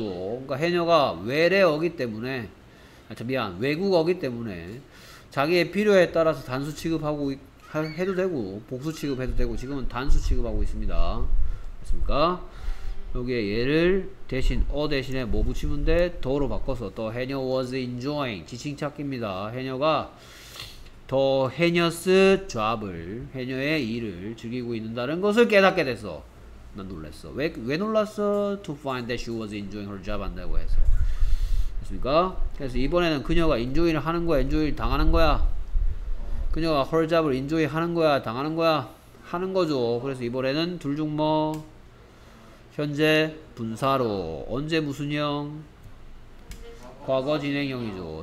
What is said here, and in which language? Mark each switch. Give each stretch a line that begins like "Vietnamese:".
Korean: 그러니까 해녀가 외래어기 때문에 외국어기 때문에 자기의 필요에 따라서 단수 취급하고 해도 되고 복수 취급해도 되고 지금은 단수 취급하고 있습니다. 맞습니까? 여기에 얘를 대신 어 대신에 뭐 붙이면 돼? 더로 바꿔서 더 해녀
English: was enjoying
Korean: 지칭 찾기입니다. 해녀가 더 해녀스 job을 해녀의 일을 즐기고 있는다는 것을 깨닫게 됐어. 난 놀랐어. 왜 놀랐어?
English: To find that she was enjoying her job
Korean: 한다고 해서. 그니까 그래서 이번에는 그녀가 인조이를 하는 거야, 인조이를 당하는 거야. 그녀가 헐잡을 인조이 하는 거야, 당하는 거야, 하는 거죠. 그래서 이번에는 둘 중 뭐 현재 분사로 언제 무슨형 과거 진행형이죠.